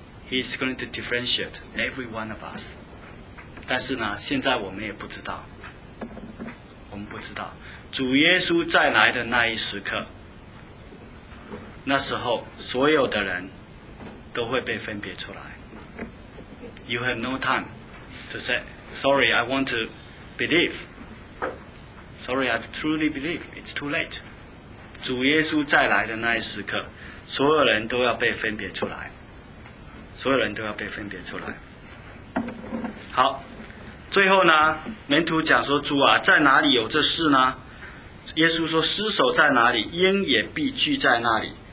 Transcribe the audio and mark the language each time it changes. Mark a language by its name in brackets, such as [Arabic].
[English] He's going to differentiate every one of us。 [Chinese] 但是呢，现在我们也不知道，我们不知道主耶稣再来的那一时刻，那时候所有的人都会被分别出来。 [English] You have no time to say sorry, I want to believe, sorry, I truly believe, it's too late。 [Chinese] 主耶稣再来的那一时刻，所有人都要被分别出来，所有人都要被分别出来。好，最后呢，门徒讲说，主啊，在哪里有这事呢？耶稣说，尸首在哪里，鹰也必聚在那里。